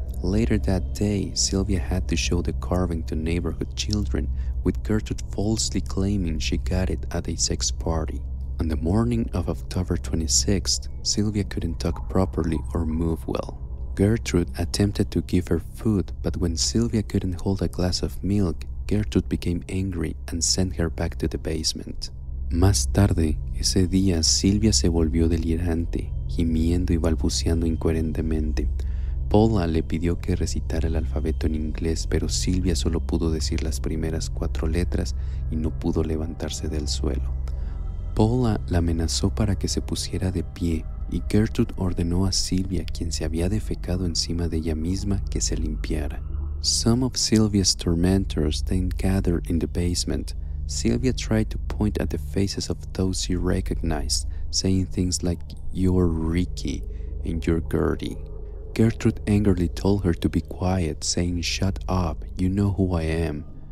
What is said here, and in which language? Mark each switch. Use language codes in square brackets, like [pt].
[en] Later that day, Sylvia had to show the carving to neighborhood children, with Gertrude falsely claiming she got it at a sex party. On the morning of October 26th, Sylvia couldn't talk properly or move well. Gertrude attempted to give her food, but when Sylvia couldn't hold a glass of milk, Gertrude became angry and sent her back to the basement. [es] Más tarde, ese día, Sylvia se volvió delirante, gimiendo y balbuceando incoherentemente. Paula le pidió que recitara el alfabeto en inglés, pero Sylvia solo pudo decir las primeras 4 letras y no pudo levantarse del suelo. Paula la amenazó para que se pusiera de pie y Gertrude ordenó a Sylvia, quien se había defecado encima de ella misma, que se limpiara. [en] Some of Sylvia's tormentors then gathered in the basement. Sylvia tried to point at the faces of those she recognized, saying things like, "You're Ricky and you're Gertie." Gertrude angrily told her to be quiet, saying, "Shut up, you know who I am."